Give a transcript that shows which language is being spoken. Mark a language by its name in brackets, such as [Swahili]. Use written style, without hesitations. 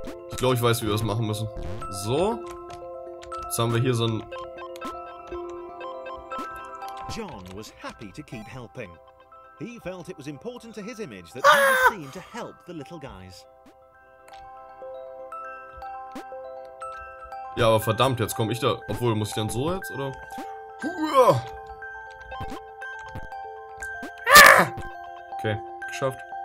[German] Ich glaube, ich weiß, wie wir das machen müssen. So. Jetzt haben wir hier so ein... [English] John was happy to keep helping. He felt it was important to his image that he was seen to help the little guys. [German] Ja, aber verdammt, jetzt komme ich da... Obwohl, muss ich dann so jetzt, oder? Okay, geschafft.